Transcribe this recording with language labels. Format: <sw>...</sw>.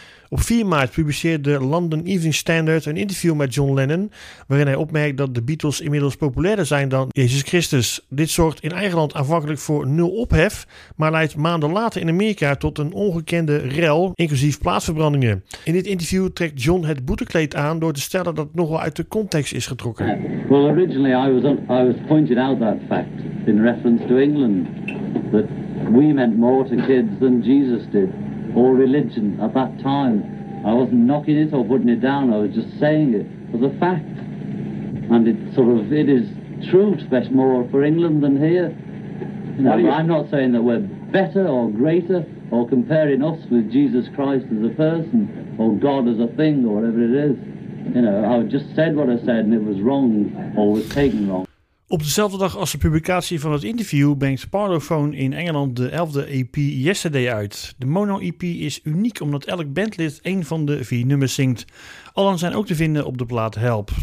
<nl>Op 4 maart publiceert de London Evening Standard een interview met John Lennon, waarin hij opmerkt dat de Beatles inmiddels populairder zijn dan Jezus Christus. Dit zorgt in eigen land aanvankelijk voor nul ophef, maar leidt maanden later in Amerika tot een ongekende rel, inclusief plaatsverbrandingen. In dit interview trekt John het boetekleed aan door te stellen dat het nogal uit de context is getrokken.</nl> <en>Well, originally I was pointed out that fact in reference to England, that we meant more to kids than Jesus did. Or religion at that time. I wasn't knocking it or putting it down, I was just saying it as a fact. And it is true, especially more for England than here. You know, I'm not saying that we're better or greater or comparing us with Jesus Christ as a person or God as a thing or whatever it is. You know, I just said what I said and it was wrong or was taken wrong.</en> <nl>Op dezelfde dag als de publicatie van het interview brengt Parlophone in Engeland de 11e EP Yesterday uit. De mono EP is uniek omdat elk bandlid één van de 4 nummers zingt. Allen zijn ook te vinden op de plaat Help.</nl>